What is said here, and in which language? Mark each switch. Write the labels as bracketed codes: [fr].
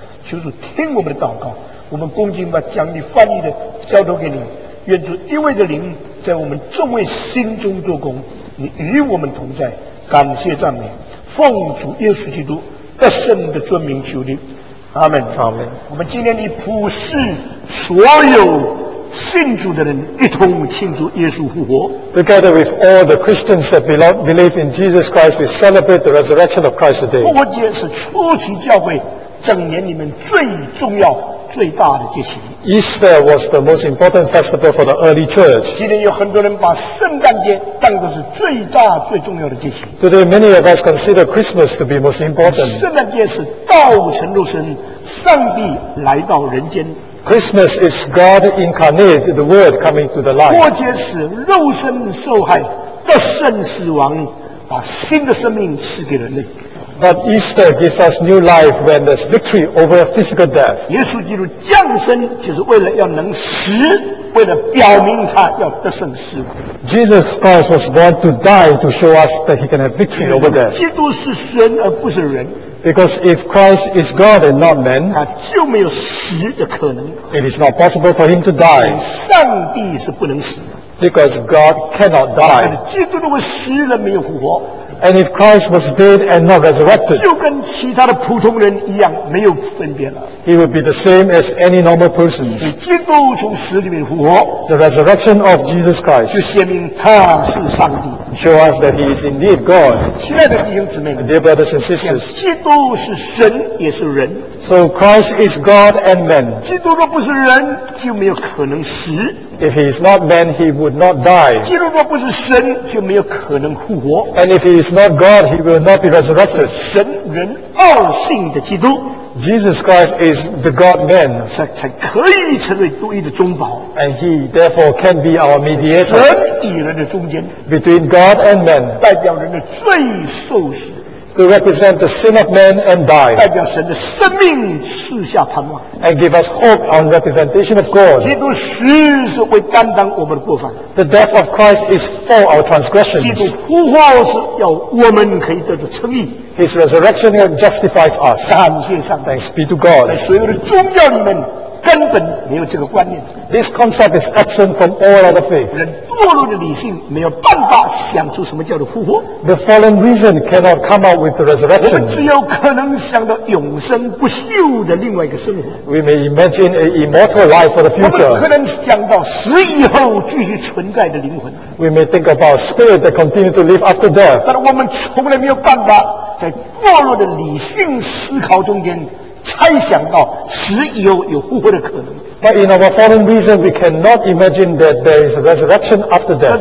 [zh] 求主听我们的祷告，我们恭敬把讲你翻译的交托给你，愿主一位的灵在我们众位心中做工，你与我们同在，感谢赞美，奉主耶稣基督得胜的尊名求你，阿们阿们。我们今天你普世所有信主的人一同庆祝耶稣复活。 [en] Together with all the Christians that believe in Jesus Christ, we celebrate the resurrection of Christ today. [zh] 复活节是初期教会整年里面最重要最大的节期。 [en] Easter was the most important festival for the early church. [zh] 今天有很多人把圣诞节当作是最大最重要的节期。 [en] Today many of us consider Christmas to be most important. [zh] 圣诞节是道成肉身，上帝来到人间。 [en] Christmas is God incarnate, the Word coming to the light. [zh] 复活节是肉身受害，得胜死亡，把新的生命赐给人类。 [en] But Easter gives us new life when there's victory over physical death. [zh] 耶稣基督降生就是为了要能死，为了表明他要得胜死亡。 [en] Jesus Christ was born to die to show us that he can have victory over death. [zh] 基督是神而不是人。 [en] Because if Christ is God and not man, [zh] 他就没有死的可能。 [en] It is not possible for him to die. [zh] 上帝是不能死的。 [en] Because God cannot die. [zh] 基督如果死了没有复活。 [en] And if Christ was dead and not resurrected, [zh] 就跟其他的普通人一样，没有分别了。 [en] He would be the same as any normal person. [zh] 所以基督从死里面复活。 [en] The resurrection of Jesus Christ [zh] 就显明他是上帝。 [en] Show us that He is indeed God. [zh] 亲爱的弟兄姊妹们 [en] ，Dear brothers and sisters, [zh] 基督是神也是人。 [en] So Christ is God and man. [zh] 基督若不是人，就没有可能死。 [en] If he is not man, he would not die. [zh] 基督若不是神，就没有可能复活。 [en] And if he is not God, he will not be resurrected. [zh] 神人二性的基督。 [en] Jesus Christ is the God-man. [zh] 才可以成为独一的中保。 [en] And he therefore can be our mediator. [zh] 神与人的中间。 [en] Between God and man. [zh] 代表人的罪受死。 [en] To represent the sin of man and die. [zh] 代表神的生命赐下盼望。 [en] And give us hope on representation of God. [zh] 基督死是为担当我们的过犯。 [en] The death of Christ is for our transgressions. [zh] 基督复活是要我们可以得到称义。 [en] His resurrection justifies us. [zh] 感谢上帝。 [en] Thanks be to God. [zh] 在所有的宗教里面根本没有这个观念。 [en] This concept is absent from all other faith. [zh] 人堕落的理性没有办法想出什么叫做复活。 [en] The fallen reason cannot come out with the resurrection. [zh] 我们只有可能想到永生不朽的另外一个生活。 [en] We may imagine an immortal life for the future. [zh] 我们可能想到死以后继续存在的灵魂。 [en] We may think about spirit that continue to live after death. [zh] 但我们从来没有办法在堕落的理性思考中间猜想到死以后有复活的可能。 [en] But in our fallen reason, we cannot imagine that there is a resurrection after death.